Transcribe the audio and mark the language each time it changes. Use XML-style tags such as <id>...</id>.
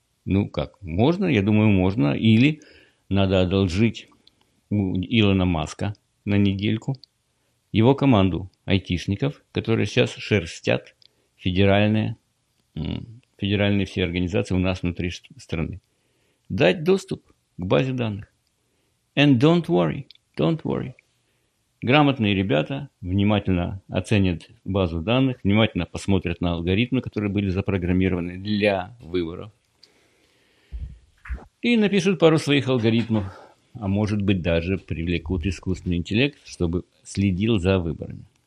<ru>Ну, как, можно, я думаю, можно. Или надо одолжить у Илона Маска на недельку его команду айтишников, которые сейчас шерстят федеральные все организации у нас внутри страны. Дать доступ к базе данных.</ru> <en>And don't worry, don't worry.</en> <ru>Грамотные ребята внимательно оценят базу данных, внимательно посмотрят на алгоритмы, которые были запрограммированы для выборов. И напишут пару своих алгоритмов, а может быть даже привлекут искусственный интеллект, чтобы следил за выборами.</ru>